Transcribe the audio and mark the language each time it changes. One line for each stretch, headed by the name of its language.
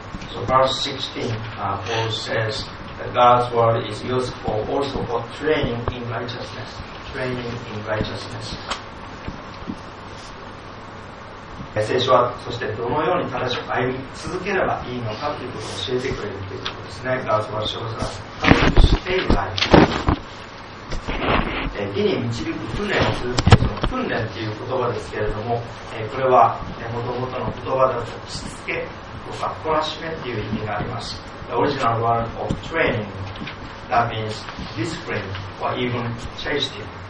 English: So verse 16, Paul says that God's word is useful also for training in righteousness. Training in righteousness.
Japanese: 聖書はそしてどのように正しく歩み続ければいいのかということを教えてくれるということですね。
English: God's word shows us how to stay right.
Japanese: 義に導く訓練をするというその訓練という言葉ですけれども、これはもともとの言葉だとしつけ、懲らしめという意味があります。
English: The original word of training, that means discipline or even chastening.